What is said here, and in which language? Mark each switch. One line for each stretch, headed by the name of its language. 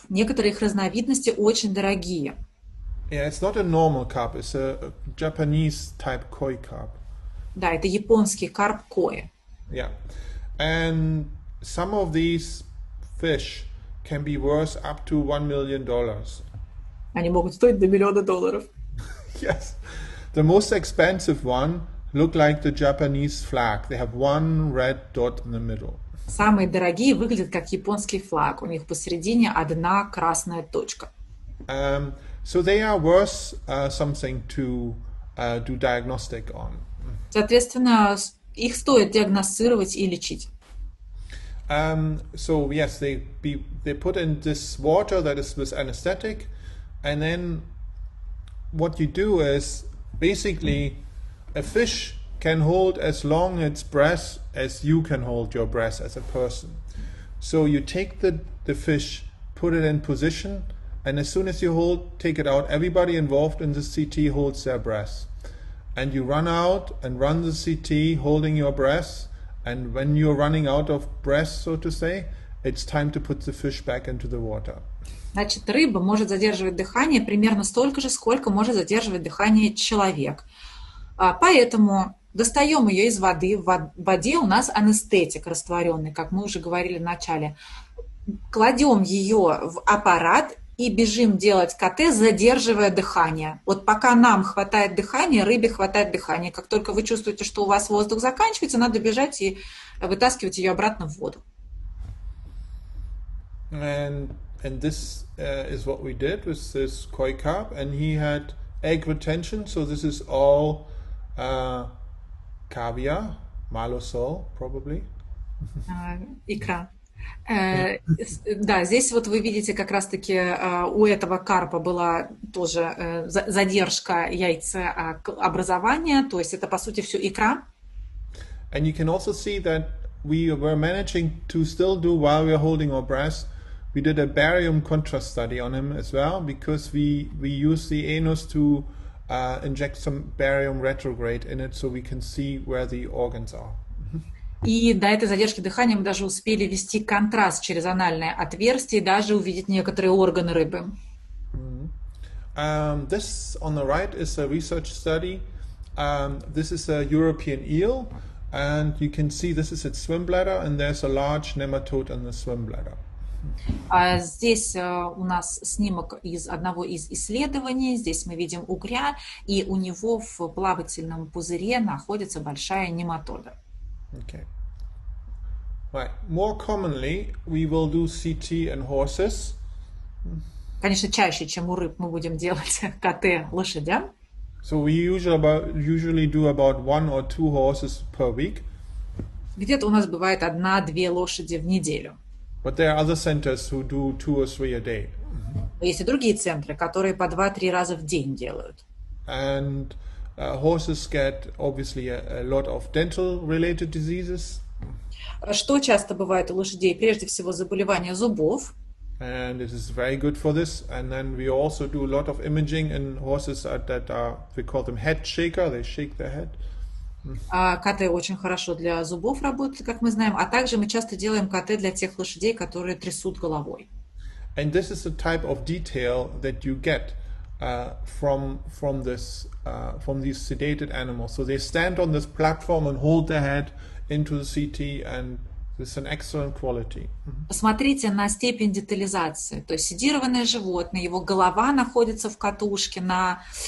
Russian: Некоторые их разновидности очень дорогие.
English: Yeah, it's not a normal carp. It's a Japanese type koi carp.
Russian: Да, это японский карп кои.
English: Yeah, and some of these fish can be worth up to $1 million.
Russian: Они могут стоить до миллиона долларов.
English: Yes. The most expensive one look like the Japanese flag. They have one red dot in the middle.
Russian: Самые дорогие выглядят как японский флаг. У них посередине одна красная точка.
English: So they are worth something to do diagnostic on.
Russian: Соответственно, их стоит диагностировать и лечить.
English: So yes, they put in this water that is with anesthetic, and then what you do is basically a fish can hold as long its breath as you can hold your breath as a person. So you take the fish, put it in position, and as soon as you hold take it out, everybody involved in the CT holds their breath, and you run out and run the CT holding your breath, and when you're running out of breath, so to say, it's time to put the fish back into the water.
Russian: Значит, рыба может задерживать дыхание примерно столько же, сколько может задерживать дыхание человек. Поэтому достаем ее из воды. В воде у нас анестетик растворенный, как мы уже говорили в начале. Кладем ее в аппарат и бежим делать КТ, задерживая дыхание. Вот пока нам хватает дыхания, рыбе хватает дыхания. Как только вы чувствуете, что у вас воздух заканчивается, надо бежать и вытаскивать ее обратно в воду.
English: And this is what we did with this koi carp, and he had egg retention, so this is all caviar, malosol, probably.
Russian: Икра. Да, здесь вот вы видите как раз-таки у этого карпа была тоже задержка яйцеобразования, то есть это по сути все икра.
English: And you can also see that we were managing to still do while we are holding our breath. We did a barium contrast study on him as well, because we use the anus to inject some barium retrograde in it, so we can see where the organs are.
Russian: И до этой задержки дыхания мы даже успели ввести контраст через анальное отверстие и даже увидеть некоторые органы рыбы.
English: This on the right is a research study. This is a European eel, and you can see this is its swim bladder, and there's a large nematode in the swim bladder.
Russian: Здесь у нас снимок из одного из исследований. Здесь мы видим угря, и у него в плавательном пузыре находится большая нематода.
English: Okay. Right. More commonly, we will do CT in horses.
Russian: Конечно, чаще, чем у рыб, мы будем делать КТ лошадям.
English: So we usually do about one or two horses per week.
Russian: Где-то у нас бывает одна-две лошади в неделю.
English: But there are other centers who do two or three a day.
Russian: Есть и другие центры, которые по 2-3 раза в день делают.
English: And horses get obviously a lot of dental-related diseases.
Russian: Что часто бывает у лошадей? Прежде всего заболевания зубов.
English: And it is very good for this. And then we also do a lot of imaging in horses that are, we call them head shaker. They shake their head.
Russian: КТ очень хорошо для зубов работает, как мы знаем. А также мы часто делаем КТ для тех лошадей, которые трясут головой.
English: And this is the type of detail that you get from these sedated animals. So they stand on this platform and hold their head into the CT, and it's an excellent quality.
Russian: Посмотрите на степень детализации. То есть седированное животное, его голова находится в катушке на...